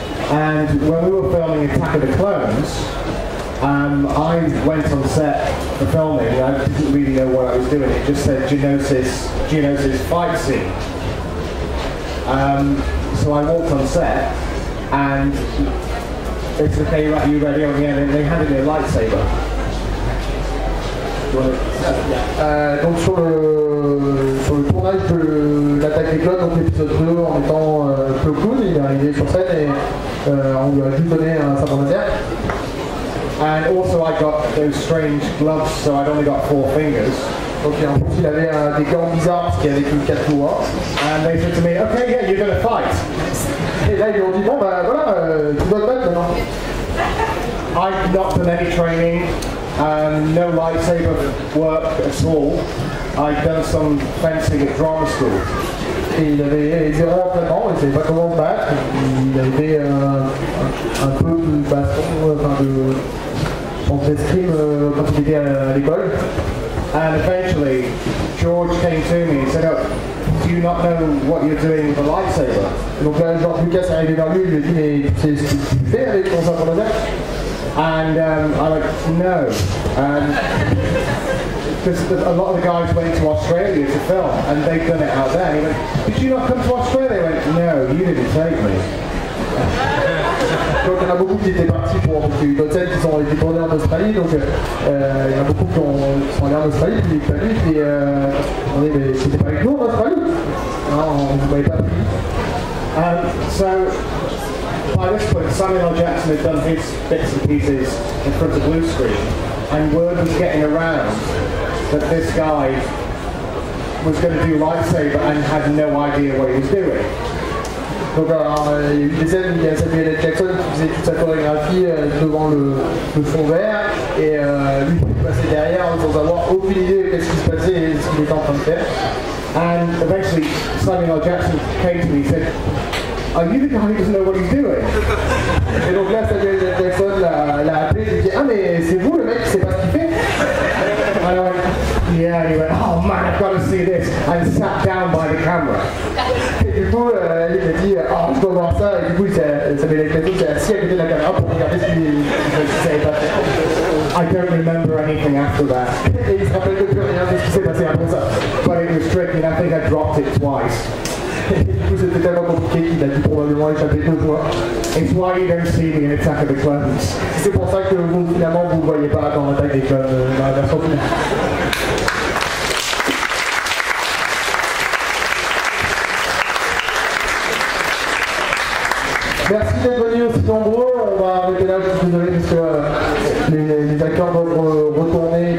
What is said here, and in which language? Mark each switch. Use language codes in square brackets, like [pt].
[en] And when we were filming Attack of the Clones, I went on set for filming. I didn't really know what I was doing. It just said Geonosis fight scene. So I walked on set, and they said, okay, are you ready on the end? And they handed me a lightsaber. [fr] Donc sur le tournage de l'attaque des clones, donc l'épisode 2, en étant Plo Koon, il est arrivé sur scène et on lui a juste donné un sabre laser. [en] And also I got those strange gloves, so I'd only got four fingers. [fr] Donc en plus il avait des gants bizarres, parce qu'il avait plus de 4 doigts. [en] And they said to me, okay, yeah, you're gonna fight. [fr] Et là ils ont dit, bon bah voilà, tu dois te battre maintenant. [en] I've not done any training. No lightsaber work at all. I've done some fencing at drama school. [fr] Et il avait zéro entraînement, il ne savait pas comment se battre. Il avait un peu de baston, enfin de fencing d'escrime quand il était à l'école. [en] And eventually, George came to me and said, oh, do you not know what you're doing with a lightsaber? [fr] Donc là, George Lucas arrivé vers lui, il lui a dit, mais c'est ce que tu fais avec ton sabre laser? [en] And I went, no. Because a lot of the guys went to Australia to film, and they've done it out there. He went, did you not come to Australia? They went, no, you didn't take me. [fr] Donc il y en a beaucoup qui étaient partis pour d'autres scènes qui ont été tournées en Australie, donc il y en a beaucoup qui sont allés en Australie, puis ils étaient pas venus, puis mais c'était pas avec nous en Australie. Non, on ne voyait pas. [en] So, by this point, Samuel L. Jackson had done his bits and pieces in front of blue screen, and word was getting around that this guy was going to do lightsaber and had no idea what he was doing. [fr] Donc il y a eu des scènes où il y a Samuel L. Jackson qui faisait toute sa chorégraphie devant le fond vert et lui il passait derrière sans avoir aucune idée de ce qui se passait et ce qu'il était en train de faire. [en] And eventually Samuel L. Jackson came to me and said, are you the guy who doesn't know what he's doing? [fr] Et donc là Samuel L. Jackson l'a appelé et dit, ah mais c'est vous le mec qui sait pas ce qu'il fait? [en] And I went, yeah, he went, oh man, I've got to see this, and sat down by the camera. [fr] Et du coup, il a dit, oh, je dois voir ça, et du coup, il s'est assis à côté de la caméra pour regarder ce qu'il savait pas faire. [en] I don't remember anything after that. [fr] Et il se rappelle de plus rien de ce qui s'est passé. s'est passé après ça. [en] But it was tricky and I think I dropped it twice. [fr] Du coup c'était tellement compliqué qu'il a dû probablement échapper deux fois. [en] It's why you don't see me in Attack of the Clones. [fr] C'est pour ça que vous finalement vous ne voyez pas dans l'attaque des clones dans la version finale. Merci d'être venus aussi nombreux, on va arrêter là, je suis désolé parce que les acteurs vont retourner.